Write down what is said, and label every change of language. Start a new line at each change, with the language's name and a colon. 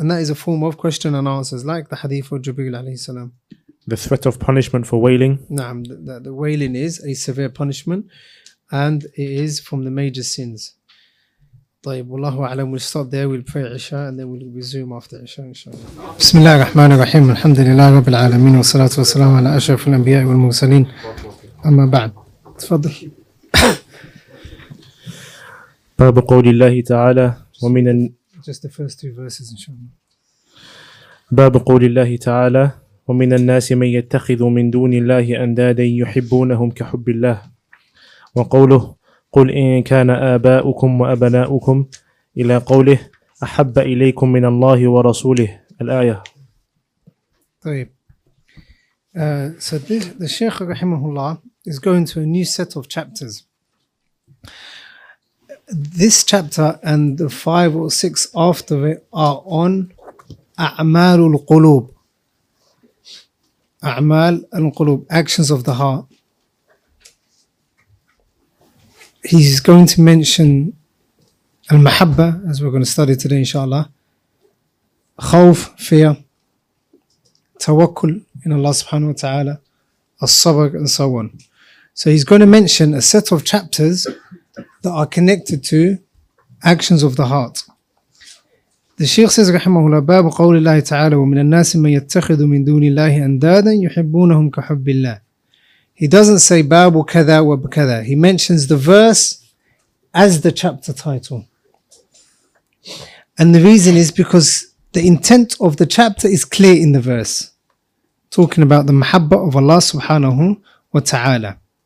English: And that is a form of question and answers, like the hadith of Jibril alayhi salam. The threat of punishment for wailing. The wailing is a severe punishment, and it is from the major sins.
Arabic: طيب والله أعلم.
English: We'll stop there. We'll pray Isha and then we'll resume after Isha inshallah.
Arabic: بسم الله الرحمن الرحيم الحمد لله رب العالمين والصلاة والسلام على أشرف الأنبياء والمرسلين أما بعد تفضل. باب قول الله تعالى ومن ال...
English: Just the first two verses inshallah.
Arabic: باب قول الله تعالى ومن الناس من يتخذ من دون الله أندادا يحبونهم كحب الله وقوله قل إن كان آباؤكم وأبناؤكم إلى قوله أحب إليكم من الله ورسوله الآية. طيب.
English: So the Sheikh rahimahullah is going to a new set of chapters. This chapter and the five or six after it are on
Arabic: أعمال القلوب. أعمال القلوب,
English: actions of the heart. He's going to mention al-mahabba, as we're going to study today, inshallah. Khawf, fear. Tawakkul in Allah subhanahu wa ta'ala. As-sabr, and so on. So he's going to mention a set of chapters that are connected to actions of the heart. The Shaykh says, rahimahullah,
Arabic: باب قول الله تعالى ومن الناس من يتخذ من دون الله أندادا يحبونهم كحب الله.
English: He doesn't say bab or kada wa kada. He mentions the verse as the chapter title. And the reason is because the intent of the chapter is clear in the verse, talking about the mahabba of Allah subhanahu wa ta'ala.